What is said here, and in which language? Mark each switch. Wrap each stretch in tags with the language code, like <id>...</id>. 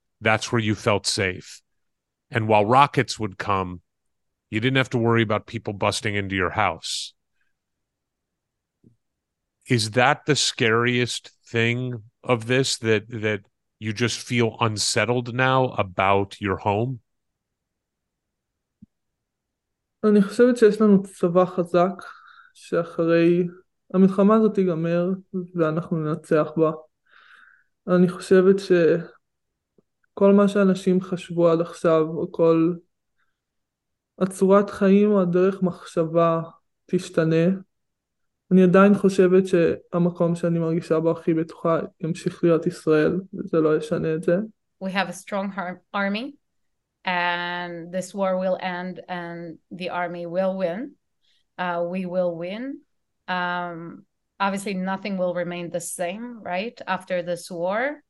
<en>That's where you felt safe. And while rockets would come, you didn't have to worry about people busting into your house. Is that the scariest thing of this, that you just feel unsettled now about your home?</en> <he>אני חושבת שיש לנו צבא חזק שאחרי המלחמה הזאת תיגמר ואנחנו ננצח בה. אני חושבת ש כל מה שאנשים חשבו עד עכשיו, או כל הצורת חיים או הדרך מחשבה תשתנה, אני עדיין חושבת שהמקום שאני מרגישה בו הכי בטוחה ימשיך להיות ישראל, וזה לא ישנה את זה.</he> <en>We have a strong army, and this war will end, and the army will win. We will win. Obviously, nothing will remain the same, right, after this war.</en>